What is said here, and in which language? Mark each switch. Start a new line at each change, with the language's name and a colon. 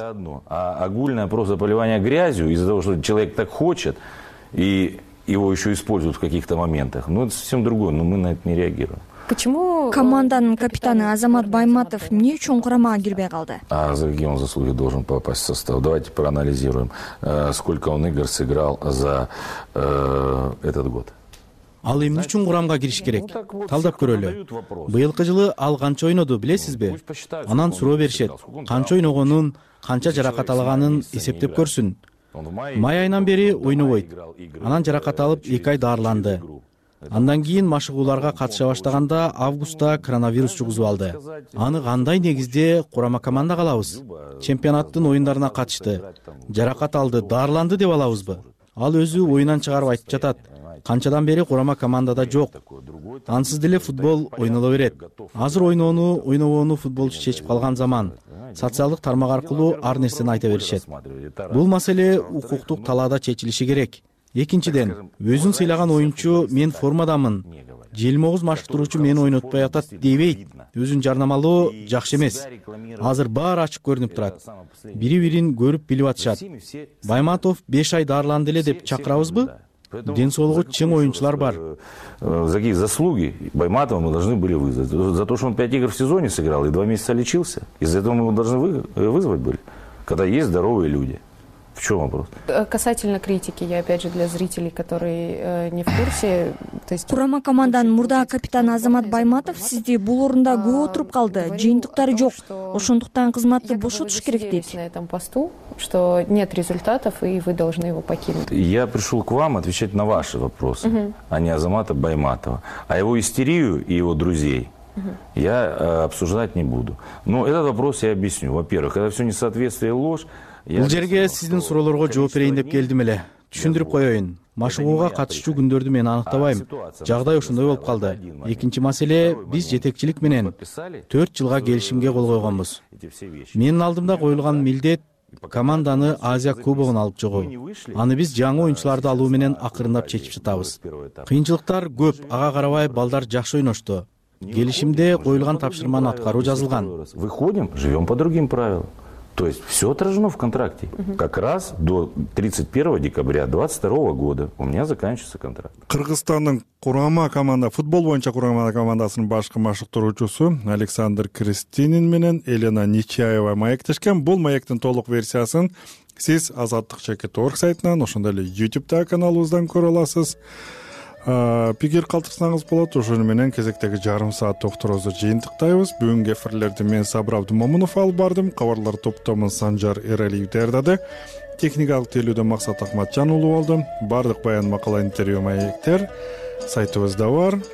Russian: А огульное просто поливание грязью из-за того, что человек так хочет и его еще используют в каких-то моментах. Ну это совсем другое, но мы на это не реагируем. Почему
Kyrgyz: команданын капитаны Азамат Байматов эмне үчүн курамага кирбей калды?
Russian: А за какие он заслуги должен попасть в состав? Давайте проанализируем, сколько он игр сыграл за этот год.
Kyrgyz: Ал эмне үчүн курамга кириш керек? Талдап көрөлү. Быйылкы жылы ал канча ойноду, билесизби? Анан суроо беришет. Канча ойногонун, канча жаракат алганын эсептеп көрсүн. Май айынан бери ойнобойт. Анан жаракат алып 2 ай дарыланды. Андан кийин машыгууларга катыша баштаганда августта коронавирус жугузуп алды. Аны кандай негизде курама команда калабыз? Чемпионаттын оюндарына катышты. Жаракат алды, дарыланды деп алабызбы? Ал өзү оюнан чыгарып айтып жатат. Канчадан бери курама командада жок. Ансыз деле футбол ойноло берет. Азыр ойноону, ойнобоону футболчу чечип калган заман. Социалдык тармак аркылуу ар нерсени айта беришет. Бул маселе укуктук талаада чечилиши керек. Экинчиден, өзүн сыйлаган оюнчу мен формадамын. 29 машыктыруучу мени ойнотпой атат дебейт. Өзүн жарнамалоо жакшы эмес. Азыр баары ачык көрүнүп турат. Бири-бирин көрүп билип атышат. Байматов 5 ай дарыланды эле деп чакырабызбы? Ден соолугу чың оюнчулар бар.
Russian: За какие заслуги Байматова мы должны были вызвать? За то, что он 5 игр в сезоне сыграл и 2 месяца лечился. Из-за этого мы его должны вызвать были, когда есть здоровые люди. В чем вопрос? Касательно критики, я опять же для зрителей, которые не в курсе. То есть...
Kyrgyz: Курама командан мурда капитан Азамат Байматов сизди бул орунда күбө отуруп калды. Жыйынтыктары жок. Ошондуктан кызматты бошотуш керек дейт.
Russian: На этом посту, что нет результатов, и вы должны его покинуть. Я пришел к вам отвечать на ваши вопросы, а не Азамата Байматова. А его истерию и его друзей я обсуждать не буду. Но этот вопрос я объясню. Во-первых, это все несоответствие и ложь.
Kyrgyz: Бул жерге сиздин суроолорго жооп берейин деп келдим эле. Түшүндүрүп коеюн. Машыгууга катышчу күндөрдү мен аныктабайм. Жагдай ушундай болуп калды. Экинчи маселе, биз жетекчилик менен 4 жылга келишимге кол койгонбуз. Менин алдымда коюлган милдет команданы Азия кубогуна алып чыгуу. Аны биз жаңы оюнчуларды алуу менен акырындап чечип жатабыз. Кыйынчылыктар көп, ага карабай балдар жакшы ойношту. Келишимде коюлган тапшырманы аткаруу жазылган.
Russian: Выходим, живем по другим правилам. То есть все отражено в контракте. Как раз до 31 декабря 2022 года у меня заканчивается контракт.
Kyrgyz: Кыргызстандын курама команда, футбол боюнча курама командасынын башкы машыктыруучусу Александр Кристинин менен Елена Нечаева маектешкен. Бул маектин толук версиясын сиз азаттык.org сайтынан, ошондой эле YouTube-да каналыбыздан көрө аласыз. Пикир калтырсаңыз болот. Ошол менен кезектеги жарым саат токторозду жыйынтыктайбыз. Бүгүнкү эфирлерди мен Сабыр Абдымомунов алып бардым. Кабарлар топтомун Санжар Эралиев даярдады. Техникалык тейлөөдө Максат Акматжан уулу болду. Бардык баян макала интервью маектер сайтыбызда бар.